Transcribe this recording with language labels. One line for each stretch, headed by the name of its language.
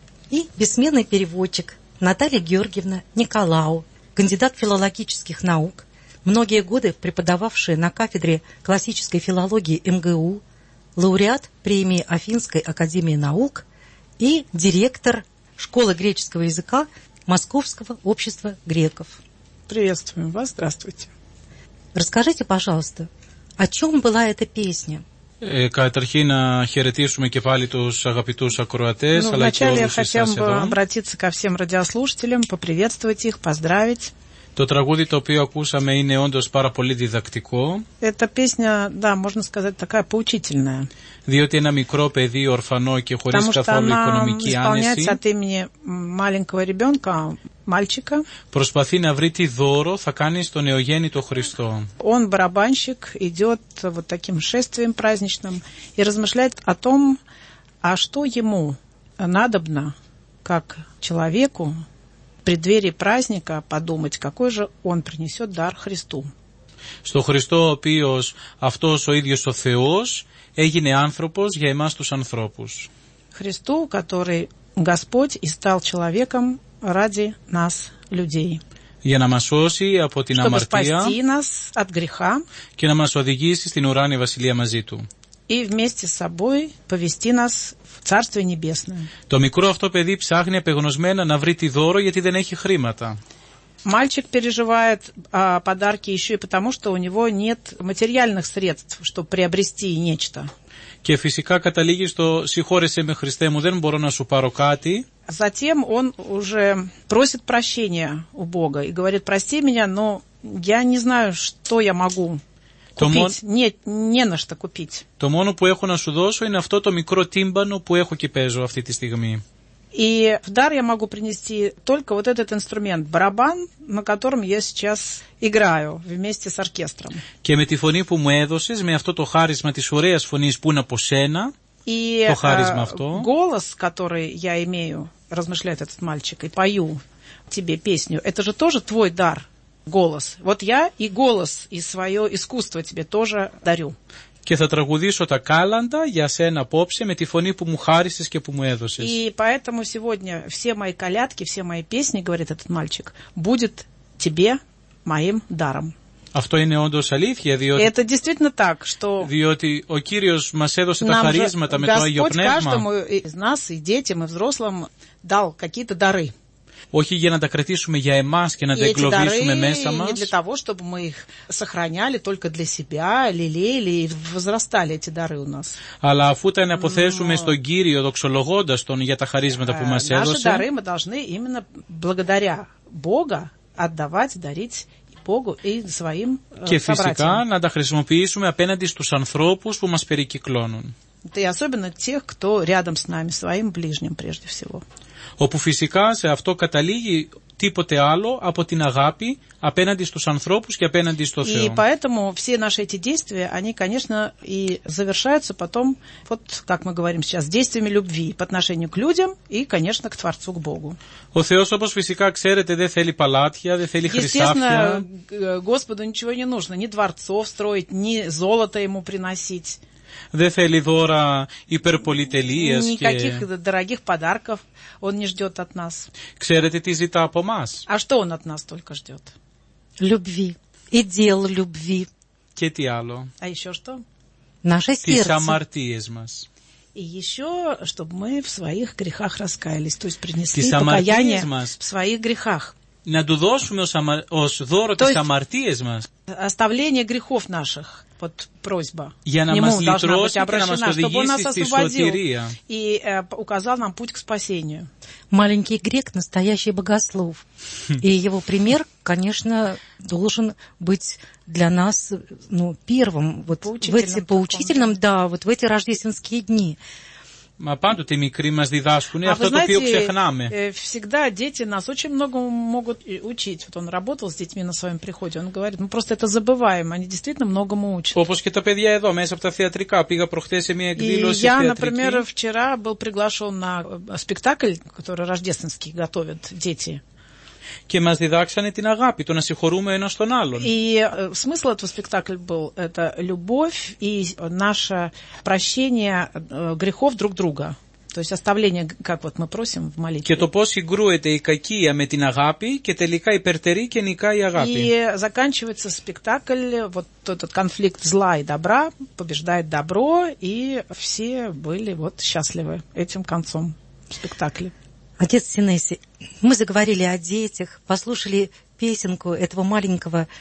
Russian: И бессменный переводчик Наталья Георгиевна Николау, кандидат филологических наук, многие годы преподававшая на кафедре классической филологии МГУ, лауреат премии Афинской академии наук и директор школы греческого языка Московского общества греков. Приветствуем вас, здравствуйте. Расскажите, пожалуйста, о чем была эта песня?
Greek: Καταρχήν να χαιρετήσουμε και πάλι τους αγαπητούς ακροατές, αλλά και όλους εσάς εδώ.
Russian: Обратиться ко всем радиослушателям, поприветствовать их, поздравить.
Greek: Το τραγούδι το οποίο ακούσαμε είναι όντως πάρα πολύ διδακτικό.
Russian: Эта песня, да, можно сказать, такая поучительная.
Greek: Διότι ένα μικρό παιδί, ορφανό και χωρίς καθόλου οικονομική άνεση.
Russian: Потому что она исполняется от имени маленького ребенка, мальчика.
Greek: Προσπαθεί να βρει τι δώρο θα κάνει στον νεογέννητο Χριστό.
Russian: Он барабанщик, идет вот таким шествием праздничным и размышляет о том, а что ему надобно, как человеку, в преддверии праздника подумать, какой же он принесет дар Христу.
Greek: Στο Χριστό, ο οποίος αυτός ο ίδιος ο Θεός έγινε άνθρωπος για εμάς τους ανθρώπους.
Russian: Христу, который Господь и стал человеком ради нас, людей.
Greek: Για να μας σώσει από την αμαρτία.
Russian: Чтобы спасти нас от греха.
Greek: Και να μας οδηγήσει στην ουράνια βασιλεία μαζί του.
Russian: И вместе с собой повести нас в Царствие Небесное.
Greek: Το μικρό αυτό παιδί ψάχνει απεγνωσμένα να βρει τη δώρο γιατί δεν έχει χρήματα.
Russian: Мальчик переживает подарки еще и потому, что у него нет материальных средств, чтобы приобрести нечто.
Greek: Και φυσικά καταλήγει στο «Συγχώρεσέ με Χριστέ μου, δεν μπορώ να σου πάρω κάτι».
Russian: Затем он уже просит прощения у Бога и говорит «Прости меня, но я не знаю, что я могу». Нет, не на что купить.
Greek: То моно, που έχω να σου δώσω, είναι αυτό το μικρό τύμπανο που έχω και παίζω αυτή τη στιγμή.
Russian: И в дар я могу принести только вот этот инструмент, барабан, на котором я сейчас играю вместе с оркестром.
Greek: Και με τη φωνή που μου έδωσες, με αυτό το χάρισμα της ωραίας φωνής που είναι από σένα,
Russian: и,
Greek: το χάρισμα αυτό.
Russian: И голос, который я имею, размышляет этот мальчик, и пою тебе песню, это же тоже твой дар, голос. Вот я и голос, и свое искусство тебе тоже дарю.
Greek: Και θα τραγουδήσω τα κάλαντα για σένα απόψε με τη φωνή που μου χάρισες και που μου έδωσες.
Russian: И поэтому сегодня все мои колядки, все мои песни, говорит этот мальчик, будет тебе моим даром.
Greek: Αυτό είναι όντως αλήθεια, διότι...
Russian: Это действительно так, что...
Greek: Διότι ο Κύριος μας έδωσε τα χαρίσματα με το Άγιο Πνεύμα.
Russian: Господь каждому из нас, и детям, и взрослым дал какие-то дары.
Greek: Όχι για να τα κρατήσουμε για εμάς και να τα εγκλωβίσουμε μέσα μας.
Russian: Для того, чтобы мы их сохраняли только для себя, лелеяли и возрастали эти дары у нас.
Greek: Αλλά αφού τα αναποθέσουμε στον Κύριο, δοξολογώντας Τον για τα χαρίσματα που μας έδωσε.
Russian: Наши дары мы должны именно благодаря Бога отдавать, дарить Богу и своим собратьям.
Greek: Και φυσικά να τα χρησιμοποιήσουμε απέναντι στους ανθρώπους που μας περικυκλώνουν.
Russian: И особенно тех, кто рядом с нами, своим ближним прежде всего.
Greek: Όπου φυσικά σε αυτό καταλήγει τίποτε άλλο από την αγάπη απέναντι στους ανθρώπους και απέναντι στο Θεό.
Russian: И поэтому все наши эти действия, они, конечно, и завершаются потом, вот как мы говорим сейчас, действиями любви по отношению к людям и, конечно, к Творцу, к Богу.
Greek: Ο Θεός, όπως φυσικά ξέρετε, δεν θέλει παλάτια, δεν θέλει χρυσάφια.
Russian: Естественно, Господу ничего не нужно, ни дворцов строить, ни золото ему приносить.
Greek: Δεν θέλει δώρα υπερπολιτελείας.
Russian: Никаких дорогих подарков он не ждет от нас.
Greek: Ξέρετε τι ζητά από μας.
Russian: А что он от нас только ждет? Любви. И дел любви.
Greek: Και τι άλλο.
Russian: А еще что? Наше сердце.
Greek: Τις αμαρτίες μας.
Russian: И еще, чтобы мы в своих грехах раскаялись, то есть принесли покаяние в своих грехах.
Greek: Να του δώσουμε ως δώρο τις αμαρτίες μας.
Russian: Оставление грехов наших. Под просьба. Я на нему должна быть обращена, чтобы он нас освободил и указал нам путь к спасению. Маленький грек – настоящий богослов. И его пример, конечно, должен быть для нас ну, первым. Вот поучительным, да, вот в эти рождественские дни.
Greek: Μα πάντοτε οι μικροί μας διδάσκουν αυτό το οποίο ξεχνάμε.
Russian: Всегда дети нас очень многому могут учить. Вот он работал с детьми на своем приходе. Он говорит, мы просто это забываем. Они действительно многому учат.
Greek: Όπως και τα παιδιά εδώ, μέσα από τα θεατρικά. Πήγα προχθές σε μια εκδήλωση θεατρική.
Russian: Я, например, вчера был приглашен на спектакль, который рождественский готовят дети.
Greek: Και μας διδάξανε την αγάπη, το να συγχωρούμε ένας τον άλλον.
Russian: И смысл этого спектакля был, это любовь и наше прощение грехов друг друга. То есть оставление, как вот мы просим в молитве.
Greek: Και το πώς συγκρούεται η κακία με την αγάπη και τελικά υπερτερεί και νικά η αγάπη.
Russian: И заканчивается спектакль, вот этот конфликт зла и добра, побеждает добро, и все были вот счастливы этим концом спектакля. Отец Синеси, мы заговорили о детях, послушали песенку этого маленького